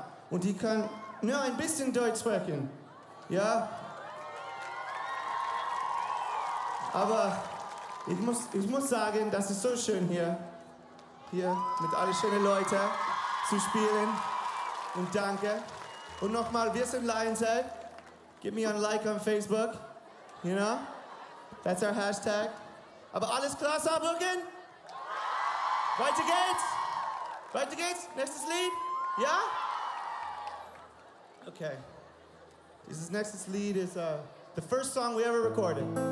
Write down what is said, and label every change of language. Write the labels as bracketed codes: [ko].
[de] Und die kann nur ein bisschen Deutsch sprechen, ja? Aber ich muss sagen, das ist so schön hier mit allen schönen Leuten zu spielen. Und danke. Und nochmal, wir sind Lionshead. [en] Give me a like on Facebook, you know? That's our hashtag. [de] Aber alles klar, [en] Saarbrücken? [de] Weiter geht's, nächstes Lied, ja? [en] Okay, this next lead is the first song we ever recorded.